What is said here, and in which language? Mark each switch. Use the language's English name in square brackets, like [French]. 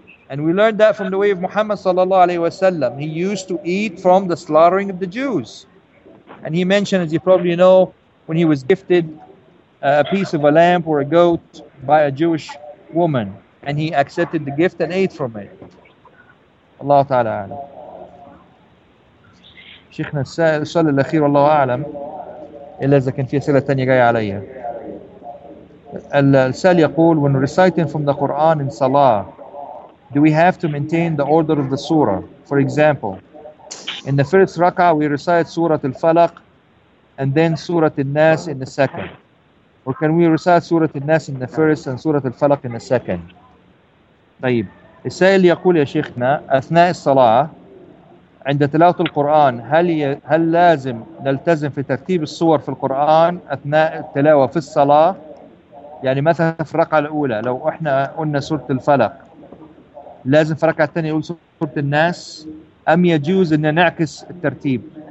[English] And we learned that from the way of Muhammad sallallahu alayhi wa sallam. He used to eat from the slaughtering of the Jews. And he mentioned, as you probably know, when he was gifted a piece of a lamb or a goat by a Jewish woman, and he accepted the gift and ate from it. [Arabic] Allah ta'ala alam. Sheikhna, السؤال الأخير والله أعلم إلا إذا كان في أسئلة تانية جاية عليها. السؤال يقول, [English] when reciting from the Quran in Salah, do we have to maintain the order of the surah? For example, in the first rak'ah we recite Surah Al-Falaq and then Surah Al-Nas in the second. Or can we recite Surah Al-Nas in the first and Surah Al-Falaq in the second? [Arabic] طيب, السائل يقول يا شيخنا, أثناء الصلاة عند تلاوة القرآن هل لازم نلتزم في ترتيب الصور في القرآن أثناء التلاوة في الصلاة؟ يعني مثلا في الرقعة الأولى لو إحنا قلنا سورة الفلق لازم في الرقعة الثانية يقول سورة الناس, أم يجوز أن نعكس الترتيب؟